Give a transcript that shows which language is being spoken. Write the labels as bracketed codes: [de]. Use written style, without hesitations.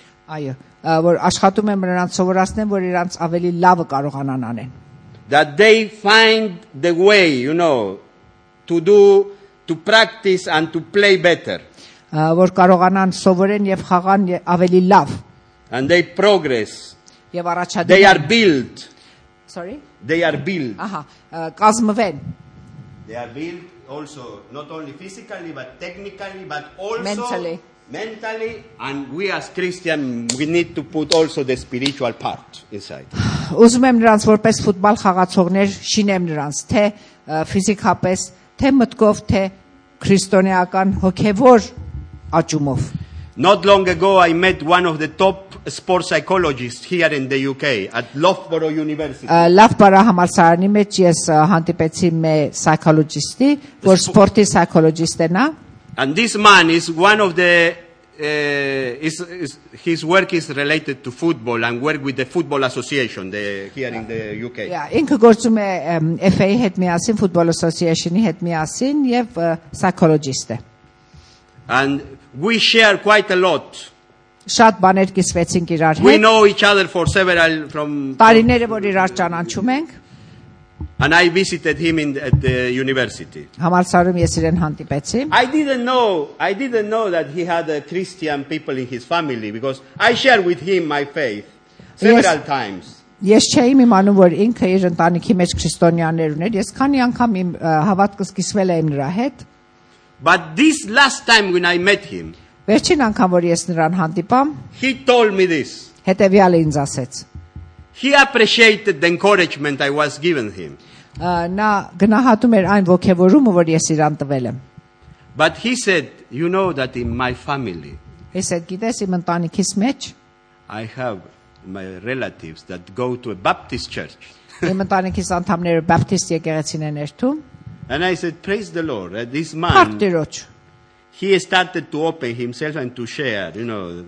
[hy] Այո, որ աշխատում եմ նրանց սովորացնեմ, որ իրանց ավելի լավը կարողանան անեն։ [en] That they find the way, you know, to practice and to play better. [hy] Որ կարողանան սովորեն եւ խաղան ավելի լավ։ [en] And they progress. [hy] Եվ առաջադեմ։ [en] They are built. Sorry? They are built. [hy] Ահա, կազմվեն։ [en] They are built also not only physically but technically but also mentally and we as Christian we need to put also the spiritual part inside. [hy] Ուզում եմ նրանց որպես ֆուտբոլ խաղացողներ շինեմ նրանց, թե ֆիզիկապես, թե մտքով, թե քրիստոնեական հոգևոր աճումով։ [en] Not long ago I met one of the top sports psychologists here in the UK at Loughborough University. [hy] Loughborough համալսարանի մեջ ես հանդիպեցի մի psychologist-ի, որ սպորտի psychologist է նա։ [en] And this man is one of the his work is related to football and work with the football association the here in the UK. [hy] Yeah, ինքը գործում է FA-ի հետ միասին, [en] football association- [hy] ի հետ միասին եւ psychologist է։ [en] And we share quite a lot. [hy] Շատ բաներ կիսվեցինք իրար հետ։ [en] We know each other for several from [hy] տարիները, որ իրար ճանաչում ենք։ [en] And I visited him at the university. [hy] Համալսարում ես իրեն հանդիպեցի։ [en] I didn't know that he had a Christian people in his family because I share with him my faith several times. [hy] Ես չեմ իմանում, որ ինքը իր ընտանիքի մեջ քրիստոնյաներ ուներ, ես քանի անգամ իմ հավատքը սկսվել է նրա հետ. [en] But this last time when I met him. [hy] Վերջին անգամ որ ես նրան հանդիպամ. [en] He told me this. [hy] Հետևյալը ինձ ասեց. [en] He appreciated the encouragement I was giving him. [hy] Նա գնահատում էր այն ոգևորումը, որ ես իրան տվել եմ. [en] But he said, you know that in my family. [hy] Ես այդ գիտես իմ ընտանիքիս մեջ. [en] I have my relatives that go to a Baptist church. [hy] Իմ ընտանիքիս անդամները Baptist եկեղեցին են երթում. [en] And I said, praise the Lord, this man, he started to open himself and to share, you know,